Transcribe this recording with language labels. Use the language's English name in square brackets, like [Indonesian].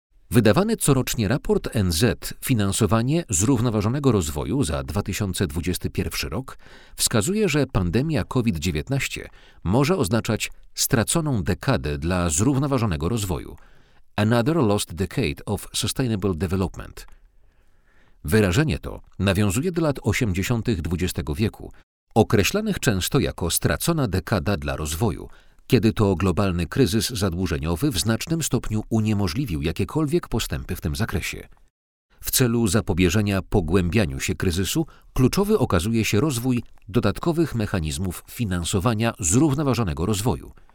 [Polish] Wydawany corocznie raport NZ Finansowanie Zrównoważonego Rozwoju za 2021 rok wskazuje, że pandemia COVID-19 może oznaczać straconą dekadę dla zrównoważonego rozwoju. [English] Another lost decade of sustainable development. [Polish] Wyrażenie to nawiązuje do lat 80. XX wieku, określanych często jako stracona dekada dla rozwoju, kiedy to globalny kryzys zadłużeniowy w znacznym stopniu uniemożliwił jakiekolwiek postępy w tym zakresie. W celu zapobieżenia pogłębianiu się kryzysu kluczowy okazuje się rozwój dodatkowych mechanizmów finansowania zrównoważonego rozwoju.